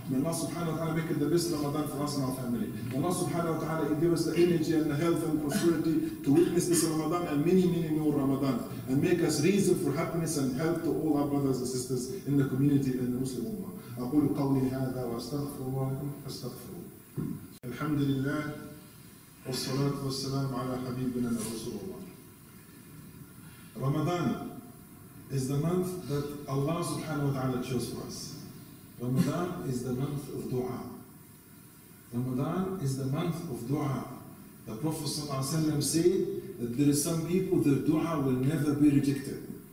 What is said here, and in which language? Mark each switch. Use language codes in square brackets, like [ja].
[en] May Allah subhanahu wa ta'ala make it the best Ramadan for us and our family. May Allah subhanahu wa ta'ala give us the energy and the health and prosperity to witness this Ramadan and many, many more Ramadan. And make us reason for happiness and help to all our brothers and sisters in the community and the Muslim Ummah. [ar] أَقُولُ قَوْلِي هَذَا وَأَسْتَغْفِرُ لَكُمْ فَاسْتَغْفِرُوا. الحمد لله والصلاة والسلام على حبيبنا رسول الله. [en] Ramadan is the month that Allah subhanahu wa ta'ala chose for us. Ramadan is the month of dua. Ramadan is the month of dua. The Prophet sallallahu alayhi wa sallam said that there is some people their dua will never be rejected.